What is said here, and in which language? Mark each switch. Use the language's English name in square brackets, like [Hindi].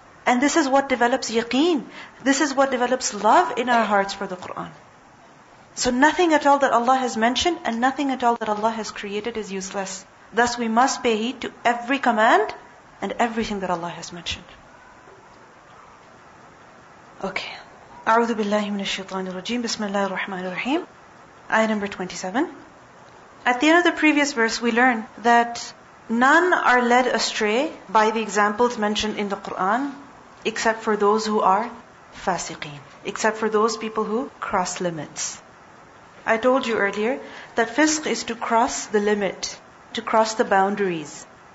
[English] And this is what develops yaqeen. This is what develops love in our hearts for the Qur'an. So nothing at all that Allah has mentioned and nothing at all that Allah has created is useless. Thus we must pay heed to every command and everything that Allah has mentioned. Okay. [Arabic] أعوذ بالله من الشيطان الرجيم بسم الله الرحمن الرحيم. [English] Ayah number 27. At the end of the previous verse, we learn that none are led astray by the examples mentioned in the Qur'an, except for those who are fasiqeen, except for those people who cross limits. I told you earlier that fisq is to cross the limit, to cross the boundaries.